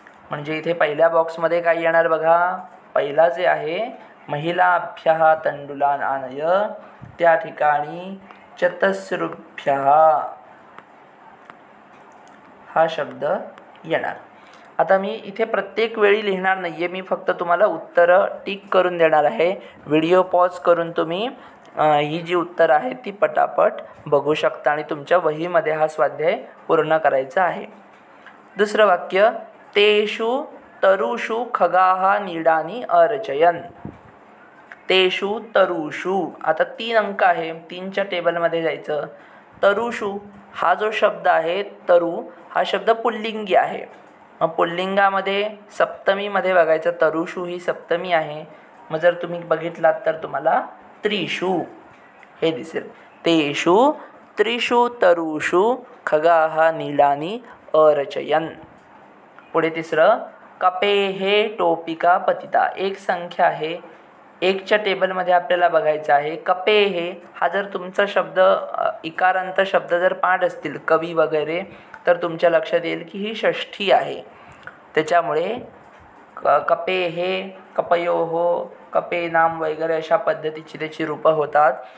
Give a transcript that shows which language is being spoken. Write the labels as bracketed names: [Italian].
[Marathi] म्हणजे इथे पहिल्या बॉक्समध्ये काय येणार बघा, पहिला जे आहे [Sanskrit] महिलाभ्यः तंडुलान आनय, [Marathi] त्या ठिकाणी चतसृभ्यः हा शब्द येणार। आता मी इथे प्रत्येक वेळी लिहिणार नाही आहे, मी फक्त तुम्हाला उत्तरं टिक करून देणार आहे। व्हिडिओ पॉज करून तुम्ही ही जी उत्तरं आहेत ती पटापट बघू शकता आणि तुमच्या वहीमध्ये हा स्वाध्याय पूर्ण करायचा आहे। दुसरं वाक्य, [Sanskrit] तेषु तरुषु खगाः नीडानि अरचयन। [Marathi] तेषु तरुषु, आता तीन अंक आहे, तीनच्या टेबलमध्ये जायचं। तरुषु हा जो शब्द आहे, तरु हा शब्द पुल्लिंगी आहे। मग पुल्लिंगामध्ये सप्तमीमध्ये बघायचं, तरुषु ही सप्तमी आहे। मग जर तुम्ही बघितलात तर तुम्हाला त्रिषु हे दिसेल। [Sanskrit] तेषु त्रिषु तरुषु खगाः नीलानि अरचयन। [Marathi] पुढे तिसरं, [Sanskrit] कपे हे टोपिका पतिता। [Marathi] एक संख्या आहे, एकच्या टेबलमध्ये आपल्याला बघायचं आहे। कपे हे हा जर तुमचा शब्द इकारांत शब्द जर पाठ असतील कवी वगैरे तर तुमच्या लक्षात येईल की ही षष्ठी आहे। त्याच्यामुळे कपे हे कपयो हो कपे नाम वगैरे अशा पद्धतीची त्याची रूपं होतात।